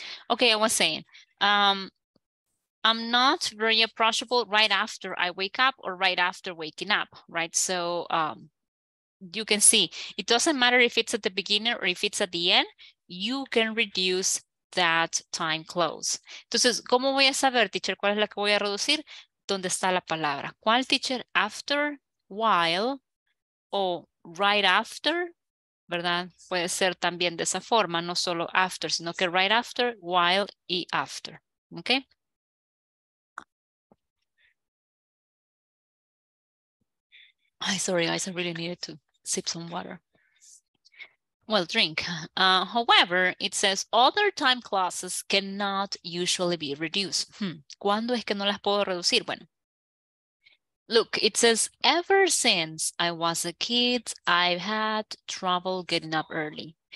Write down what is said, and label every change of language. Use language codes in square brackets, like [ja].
[en] Okay, I was saying, I'm not very approachable right after I wake up or right after waking up, right? So you can see, it doesn't matter if it's at the beginning or if it's at the end, you can reduce that time close. [es] Entonces, ¿cómo voy a saber, teacher, cuál es la que voy a reducir? ¿Dónde está la palabra? ¿Cuál, teacher? [en] After, while, [es] o [en] right after, [es] ¿verdad? Puede ser también de esa forma, no solo after, sino que right after, while y after, ¿ok? [en] Ay, sorry guys, I really needed to sip some water. Well, drink. However, it says other time clauses cannot usually be reduced. [es] ¿Cuándo es que no las puedo reducir? Bueno, [en] look, it says, ever since I was a kid, I've had trouble getting up early.